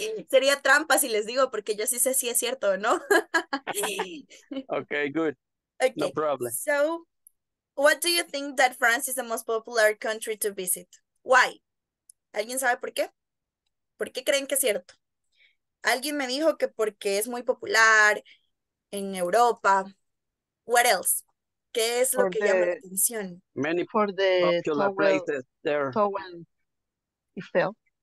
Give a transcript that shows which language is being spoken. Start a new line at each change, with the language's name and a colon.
Spanish: Sería trampa si les digo porque yo sí sé si es cierto o no.
English: Okay, good. Okay. No problem. So, what do you think that France is the most popular country to visit?
Spanish: Why? ¿Alguien sabe por qué? ¿Por qué creen que es cierto? Alguien me dijo que porque es muy popular en Europa.
English: What else?
Spanish: ¿Qué es lo que llama la atención?
English: Many for the popular Tower, places there. Tower Eiffel.